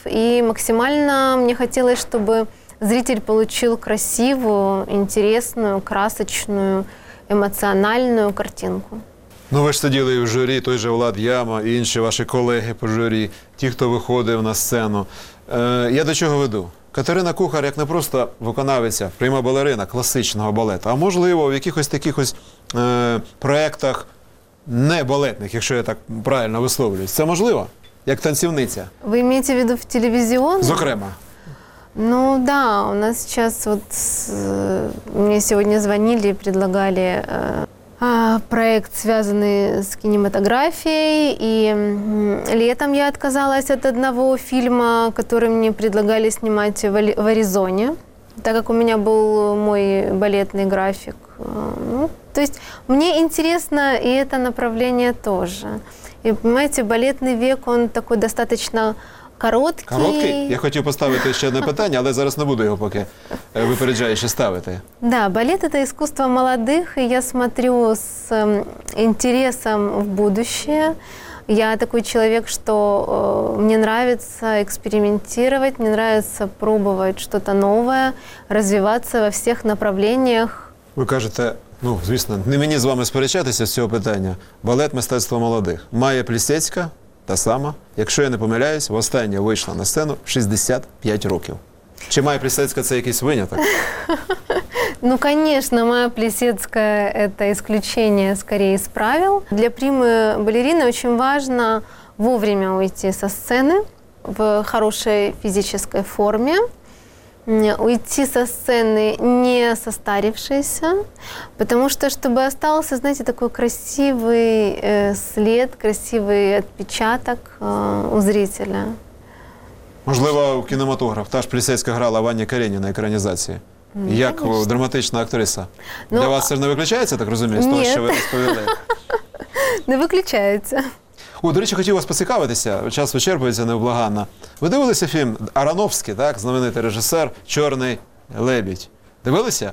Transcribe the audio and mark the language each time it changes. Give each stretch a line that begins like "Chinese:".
Russian: И максимально мне хотелось, чтобы зритель получил красивую, интересную, красочную, емоціональну картинку.
Ukrainian: Ну, ви ж сиділи в журі, той же Влад Яма і інші ваші колеги по журі, ті, хто виходив на сцену. Я до чого веду? Катерина Кухар, як не просто виконавиця, пряма балерина класичного балету, а можливо, в якихось таких проєктах не балетних, якщо я так правильно висловлююсь. Це можливо? Як танцівниця? Ви маєте в виду в телевізіон? Зокрема.
Russian: Ну да, у нас сейчас вот мне сегодня звонили и предлагали проект, связанный с кинематографией, и летом я отказалась от одного фильма, который мне предлагали снимать в Аризоне, так как у меня был мой балетный график. Ну, то есть мне интересно и это направление тоже. И понимаете, балетный век, он такой достаточно короткий. Короткий?
Ukrainian: Я хотів поставити ще одне питання, але зараз не буду його поки випереджаючи ставити. Да, балет – це іскусство молодих, і
Russian: я смотрю
Ukrainian: з інтересом в будущее.
Russian: Я такой человек, что мне нравится экспериментировать, мне нравится пробовать что-то новое, развиваться во всех направлениях.
Ukrainian: Ви кажете, ну, звісно, не мені з вами сперечатися з цього питання. Балет – мистецтво молодих. Майя Плісецька – та сама, якщо я не помиляюсь, востаннє вийшла на сцену 65 років. Чи Майя Плісецька – це якийсь виняток? Ну, звісно, Майя Плісецька – це исключение, скоріше, з правил. Для прими балерини дуже важливо
Russian: вовремя уйти
Ukrainian: зі сцени в хорошій фізичній формі.
Russian: Уйти со сцены не состарившейся, потому что, чтобы остался, знаете, такой красивый след, красивый отпечаток у зрителя.
Ukrainian: Можливо, у кинематограф. Та ж Плісецька грала Ванні Кареніна на экранизации. Ну, як драматична актриса. Ну, для вас це ж не виключається, так розумію, з того, що ви розповіли? Не виключається. О, до речі, хотів вас поцікавитися, час вичерпується невблаганно. Ви дивилися фільм Арановський, так, знаменитий режисер «Чорний лебідь». Дивилися?